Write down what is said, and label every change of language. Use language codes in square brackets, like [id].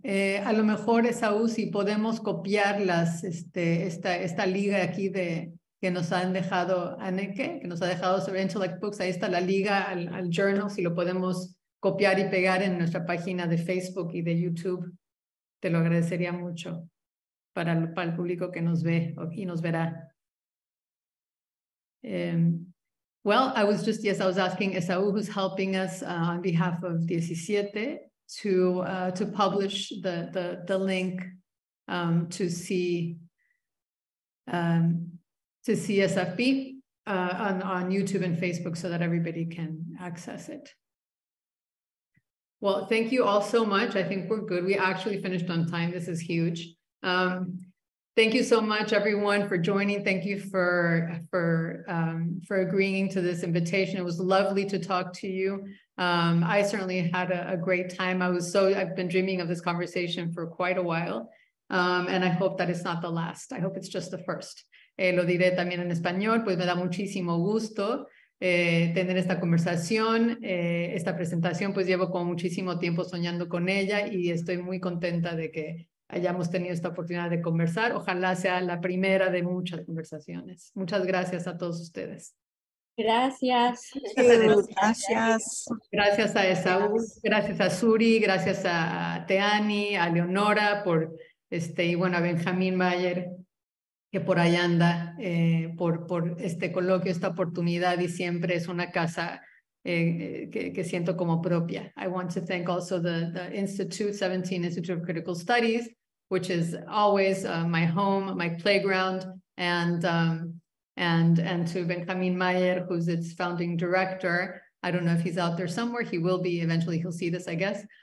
[es] A lo mejor Esaú, si podemos copiar esta liga aquí de que nos han dejado Anneke, que nos ha dejado sobre Intellect Books, ahí está la liga al journal, si lo podemos copiar y pegar en nuestra página de Facebook y de YouTube, te lo agradecería mucho para el público que nos ve y nos verá. [en] I was asking Esaú, who's helping us on behalf of 17, to publish the link to CSFB on YouTube and Facebook so that everybody can access it. Well, thank you all so much. I think we're good. We actually finished on time. This is huge. Thank you so much, everyone, for joining. Thank you for agreeing to this invitation. It was lovely to talk to you. I certainly had a great time. I've been dreaming of this conversation for quite a while. And I hope that it's not the last. I hope it's just the first. [es] Lo diré también en español, pues me da muchísimo gusto tener esta conversación, esta presentación, pues llevo como muchísimo tiempo soñando con ella y estoy muy contenta de que hayamos tenido esta oportunidad de conversar. Ojalá sea la primera de muchas conversaciones. Muchas gracias a todos ustedes. Gracias. Gracias. Gracias a Esaú, gracias a Suri, gracias a Teani, a Leonora, por y bueno, a Benjamín Mayer, que por ahí anda, por este coloquio, esta oportunidad, y siempre es una casa que siento como propia. [en] I want to thank also the Institute, 17 Institute of Critical Studies, which is always my home, my playground, and to Benjamin Mayer, who's its founding director. I don't know if he's out there somewhere. He will be eventually. He'll see this, I guess.